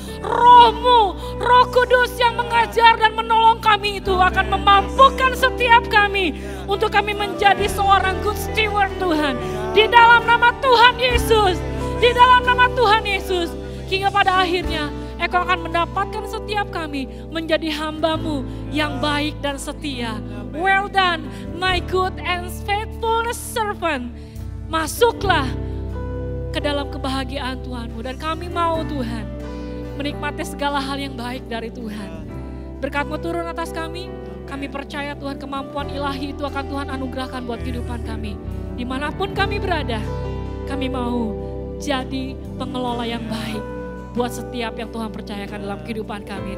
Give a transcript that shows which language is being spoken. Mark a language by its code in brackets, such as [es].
[id] Roh-Mu, Roh Kudus yang mengajar dan menolong kami itu akan memampukan setiap kami untuk kami menjadi seorang good steward Tuhan. Di dalam nama Tuhan Yesus, di dalam nama Tuhan Yesus, hingga pada akhirnya Engkau akan mendapatkan setiap kami menjadi hamba-Mu yang baik dan setia. [en] Well done, my good and faithful servant. [id] Masuklah ke dalam kebahagiaan Tuhan-Mu. Dan kami mau Tuhan menikmati segala hal yang baik dari Tuhan. Berkat-Mu turun atas kami. Kami percaya Tuhan kemampuan ilahi itu akan Tuhan anugerahkan buat kehidupan kami. Dimanapun kami berada, kami mau jadi pengelola yang baik buat setiap yang Tuhan percayakan dalam kehidupan kami.